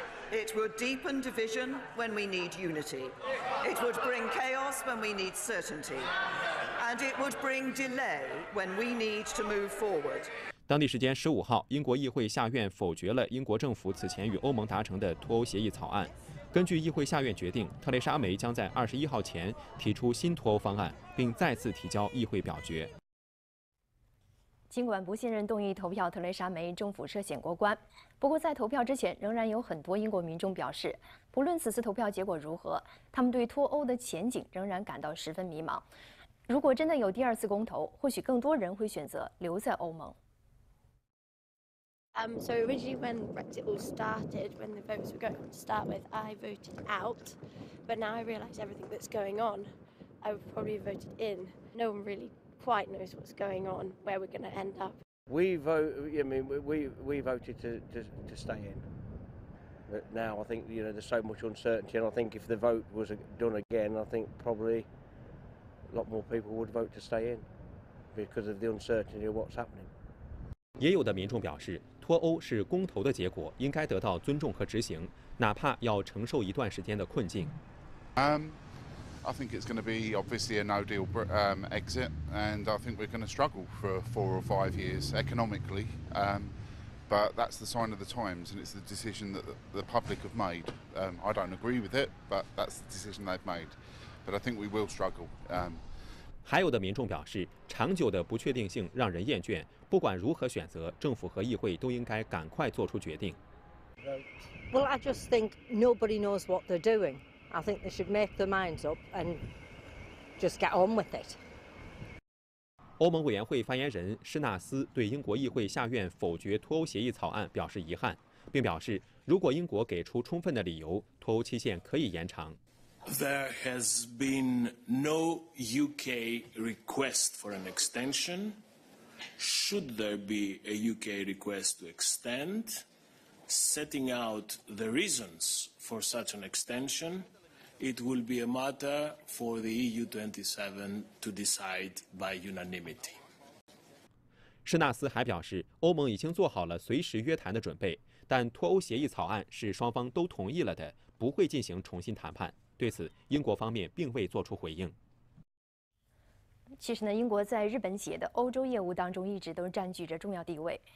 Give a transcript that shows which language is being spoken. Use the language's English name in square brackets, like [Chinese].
[English] It would deepen division when we need unity. It would bring chaos when we need certainty. And it would bring delay when we need to move forward. [Chinese] 当地时间15号，英国议会下院否决了英国政府此前与欧盟达成的脱欧协议草案。根据议会下院决定，特蕾莎梅将在21号前提出新脱欧方案，并再次提交议会表决。尽管不信任动议投票，特蕾莎梅政府涉嫌过关，不过在投票之前，仍然有很多英国民众表示，不论此次投票结果如何，他们对脱欧的前景仍然感到十分迷茫。如果真的有第二次公投，或许更多人会选择留在欧盟。 [English] So originally when Brexit all started, when the votes were going to start with, I voted out. But now I realise everything that's going on, I would probably have voted in. No one really quite knows what's going on, where we're going to end up. We voted to stay in. But now I think, you know, there's so much uncertainty, and I think if the vote was done again, I think probably. A lot more people would vote to stay in because of the uncertainty of what's happening. [Chinese] 也有的民众表示，脱欧是公投的结果，应该得到尊重和执行，哪怕要承受一段时间的困境。 [English] I think it's going to be obviously a no deal exit, and I think we're going to struggle for 4 or 5 years economically. But that's the sign of the times, and it's the decision that the public have made. I don't agree with it, but that's the decision they've made. But I think we will struggle. [Chinese] 还有的民众表示，长久的不确定性让人厌倦。不管如何选择，政府和议会都应该赶快做出决定。 [English] Well, I just think nobody knows what they're doing. I think they should make their minds up and just get on with it. [Chinese] 欧盟委员会发言人施纳斯对英国议会下院否决脱欧协议草案表示遗憾，并表示如果英国给出充分的理由，脱欧期限可以延长。 [English] There has been no UK request for an extension. Should there be a UK request to extend, setting out the reasons for such an extension, it will be a matter for the EU27 to decide by unanimity. [Chinese] 施纳斯还表示，欧盟已经做好了随时约谈的准备，但脱欧协议草案是双方都同意了的，不会进行重新谈判。对此，英国方面并未做出回应。其实呢，英国在日本企业的欧洲业务当中一直都占据着重要地位。